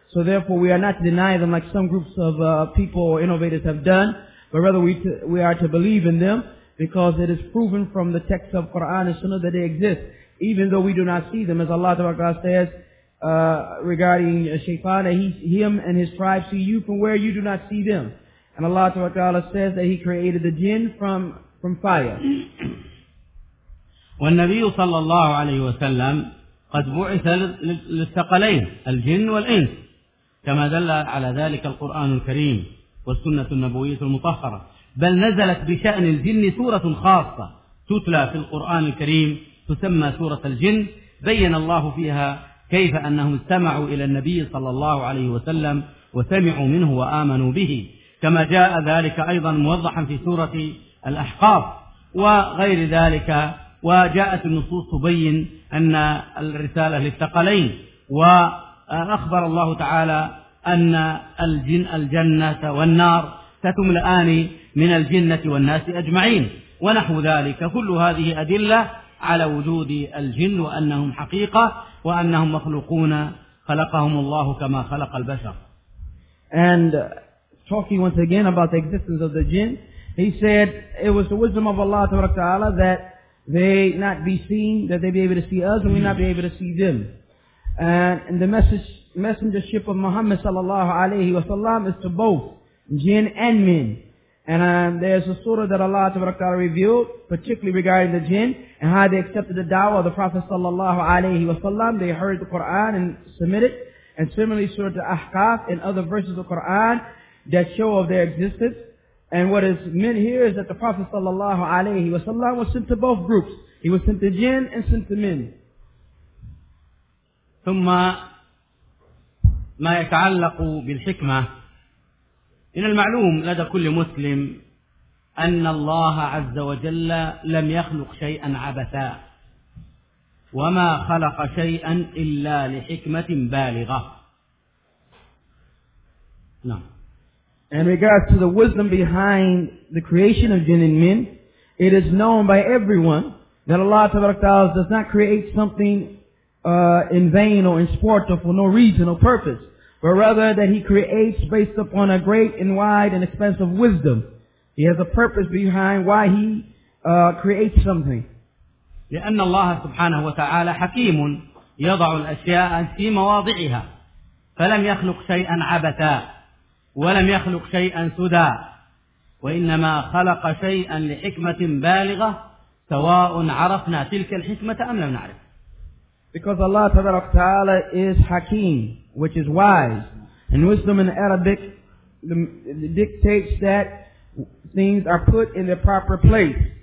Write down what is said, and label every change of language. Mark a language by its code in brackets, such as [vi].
[en] So therefore, we are not to deny them like some groups of people or innovators have done, but rather we are to believe in them, because it is proven from the text of Quran and Sunnah that they exist, even though we do not see them. As Allah Ta'ala says regarding Shaytan, that him and his tribe see you from where you do not see them. And Allah Ta'ala says that he created the jinn from fire. [ar] والنبي صلى الله عليه وسلم قد بعث للثقلين الجن والإنس كما دل على ذلك القرآن الكريم والسنة النبوية المطهرة بل نزلت بشأن الجن سورة خاصة تتلى في القرآن الكريم تسمى سورة الجن بين الله فيها كيف أنهم استمعوا إلى النبي صلى الله عليه وسلم وسمعوا منه وآمنوا به كما جاء ذلك أيضا موضحا في سورة الأحقاف وغير ذلك وجاءت النصوص تبين أن الرسالة للثقلين وأخبر الله تعالى أن الجنة والنار ستملأان من الجنة والناس أجمعين ونحو ذلك كل هذه أدلة على وجود الجن وأنهم حقيقة وأنهم مخلوقون خلقهم الله كما خلق البشر. [en] And talking once again about the existence of the jinn, he said it was the wisdom of Allah Ta'ala that they not be seen, that they be able to see us, and we not be able to see them. And the messengership of Muhammad sallallahu alayhi wa sallam is to both jinn and men. And there's a surah that Allah Ta'ala revealed, particularly regarding the jinn, and how they accepted the da'wah of the Prophet sallallahu alayhi wa sallam. They heard the Quran and submitted. And similarly, surah to Ahqaf and other verses of Quran that show of their existence. And what is meant here is that the Prophet sallallahu alayhi wa sallam was sent to both groups. He was sent to jinn and sent to men. [ar] ثم ما يتعلق بالحكمة من المعلوم لدى كل مسلم أن الله عز وجل لم يخلق شيئا عبثا وما خلق شيئا إلا لحكمة بالغة. نعم. [en] In regards to the wisdom behind the creation of jinn and men, it is known by everyone that Allah Ta'ala does not create something in vain or in sport or for no reason or purpose, but rather that He creates based upon a great and wide and expansive wisdom. He has a purpose behind why He creates something. [ar] لأن الله سبحانه وتعالى حكيم يضع الأشياء في مواضعها فلم يخلق شيئا عبثا ولم يخلق شيئا سدى وإنما خلق شيئا لحكمة بالغة سواء عرفنا تلك الحكمة أم لم نعرف. [en] Because Allah Ta'ala is Hakim, which is wise. And wisdom in Arabic dictates that things are put in their proper place.